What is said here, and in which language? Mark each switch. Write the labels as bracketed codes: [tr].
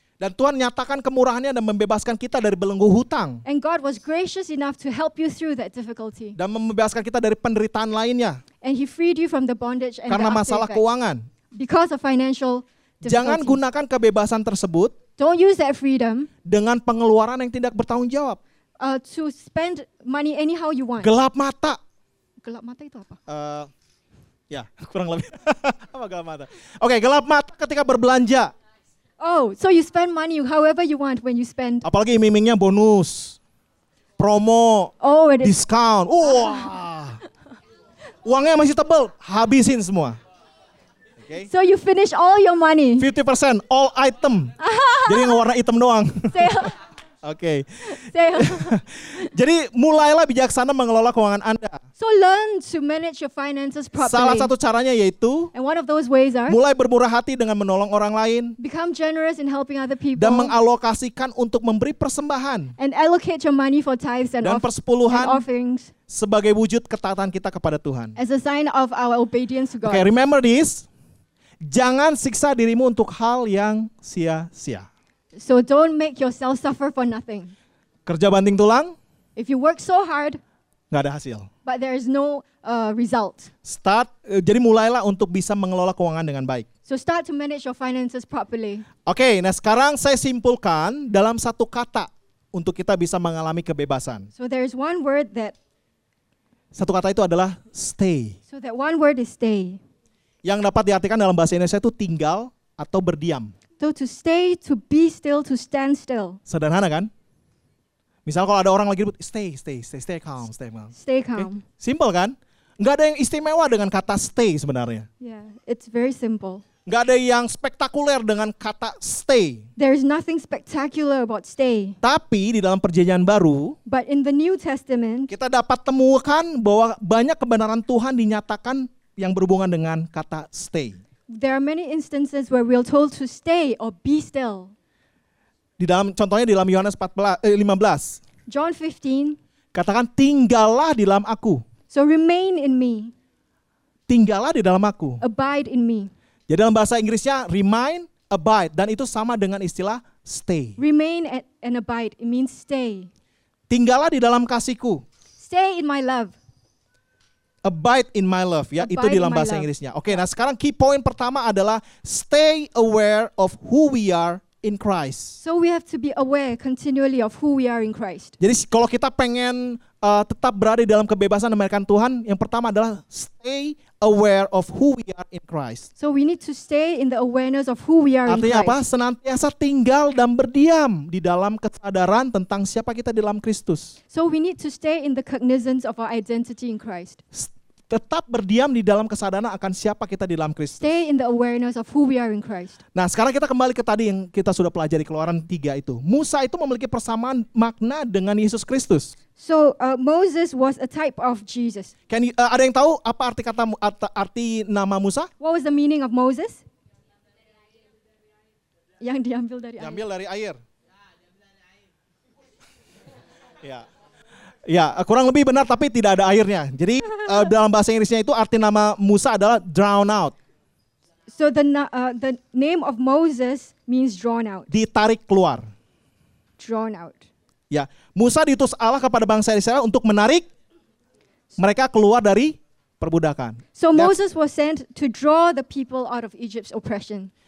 [id] dan Tuhan nyatakan kemurahannya dan membebaskan kita dari belenggu hutang, [en] and God was gracious enough to help you through that difficulty, [id] dan membebaskan kita dari penderitaan lainnya, [en] and he freed you from the bondage and [id] karena [en] the [id] masalah keuangan, [en] because of financial difficulty, [id] jangan gunakan kebebasan tersebut, [en] don't use that freedom, [id] dengan pengeluaran yang tidak bertanggung jawab, [en] to spend money anyhow you want. [id] Gelap mata itu apa? Ya, kurang lebih. Apa gelap mata? Oke, gelap mata ketika berbelanja. [en] Oh, so you spend money however you want when you spend. [id] Apalagi mimingnya bonus, promo, oh, [en] discount. Wah. [id] Uangnya masih tebel, habisin semua. [en] Okay. So you finish all your money. 50% all item. [id] Jadi yang warna hitam doang. Oke. Jadi mulailah bijaksana mengelola keuangan Anda. [en] So learn to manage your finances properly. [id] Salah satu caranya yaitu, [en] and one of those ways are, [id] mulai bermurah hati dengan menolong orang lain. [en] Become generous in helping other people. [id] Dan mengalokasikan untuk memberi persembahan. [en] And allocate your money for tithes and [id] dan persepuluhan [en] and offerings. [id] Sebagai wujud ketaatan kita kepada Tuhan. [en] As a sign of our obedience to God. Okay, remember this. [id] Jangan siksa dirimu untuk hal yang sia-sia. [en] So don't make yourself suffer for nothing. [id] Kerja banting tulang? [en] If you work so hard, [id] enggak ada hasil. [en] But there is no result. [id] Start, jadi mulailah untuk bisa mengelola keuangan dengan baik. [en] So start to manage your finances properly. [id] Oke, okay, nah sekarang saya simpulkan dalam satu kata untuk kita bisa mengalami kebebasan. [en] So there is one word that [id] satu kata itu adalah stay. [en] So that one word is stay. [id] Yang dapat diartikan dalam bahasa Indonesia itu tinggal atau berdiam. [en] So to stay, to be still, to stand still. [id] Sederhana kan? Misal kalau ada orang lagi ribut, [en] stay calm. Stay calm. Okay. [id] Simple kan? Enggak ada yang istimewa dengan kata stay sebenarnya. [en] Yeah, it's very simple. [id] Enggak ada yang spektakuler dengan kata stay. [en] There is nothing spectacular about stay. [id] Tapi di dalam perjanjian baru, [en] but in the New Testament, [id] kita dapat temukan bahwa banyak kebenaran Tuhan dinyatakan yang berhubungan dengan kata stay. [en] There are many instances where we're told to stay or be still. [id] Di dalam contohnya di dalam Yohanes 15. [en] John 15. [id] Katakan tinggallah di dalam aku. [en] So remain in me. [id] Tinggallah di dalam aku. [en] Abide in me. [id] Jadi dalam bahasa Inggrisnya remain, abide, dan itu sama dengan istilah stay. [en] Remain and abide, it means stay. [id] Tinggallah di dalam kasihku. [en] Stay in my love. Abide in my love, ya, abide [id] itu dalam bahasa [en] love. [id] Inggrisnya. Oke, [en] okay, [id] nah sekarang [en] key point [id] pertama adalah [en] stay aware of who we are in Christ. So we have to be aware continually of who we are in Christ. [id] Jadi kalau kita pengen tetap berada dalam kebebasan memberikan Tuhan, yang pertama adalah [en] stay aware of who we are in Christ. So we need to stay in the awareness of who we are [id] artinya [en] in Christ. [id] Artinya apa? Senantiasa tinggal dan berdiam di dalam kesadaran tentang siapa kita di dalam Kristus. [en] So we need to stay in the cognizance of our identity in Christ. [id] Tetap berdiam di dalam kesadaran akan siapa kita di dalam Kristus. [en] Stay in the awareness of who we are in Christ. [id] Nah, sekarang kita kembali ke tadi yang kita sudah pelajari Keluaran 3 itu. Musa itu memiliki persamaan makna dengan Yesus Kristus. [en] So Moses was a type of Jesus. Can you, [id] ada yang tahu apa arti kata arti nama Musa? [en] What was the meaning of Moses? [id] Yang diambil dari air. Diambil dari air. Ya. Ya, kurang lebih benar tapi tidak ada airnya. Jadi dalam bahasa Inggrisnya itu arti nama Musa adalah drown out. [en] So the name of Moses means drawn out. [id] Ditarik keluar. [en] Drawn out. [id] Ya, Musa diutus Allah kepada bangsa Israel untuk menarik mereka keluar dari perbudakan. [en] So Moses was sent to draw the people out of Egypt's oppression.